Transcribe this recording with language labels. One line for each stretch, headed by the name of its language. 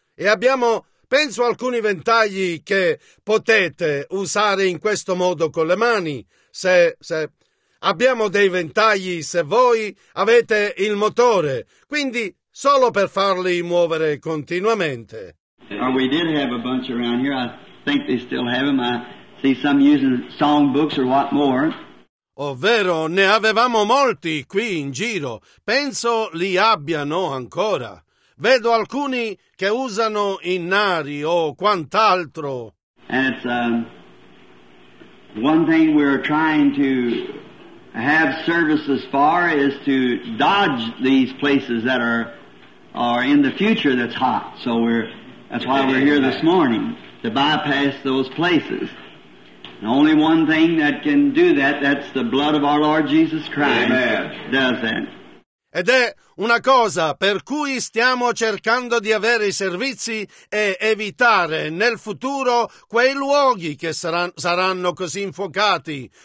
Italian: E abbiamo, penso, alcuni ventagli che potete usare in questo modo con le mani. Se abbiamo dei ventagli, se voi avete il motore. Quindi solo per farli muovere continuamente.
English: We did have a bunch around here. I think they still have them. I see some using song books or what more.
Italian: Ovvero, ne avevamo molti qui in giro. Penso li abbiano ancora. Vedo alcuni che usano innari o quant'altro.
English: And it's one thing we're trying to have services for is to dodge these places that are in the future that's hot. So that's why we're here this morning. To bypass those places. And only one thing that can do that, that's the blood of our Lord Jesus Christ. Amen. Does that.
Italian: Ed è una cosa per cui stiamo cercando di avere i servizi e evitare nel futuro quei luoghi che saranno così infuocati.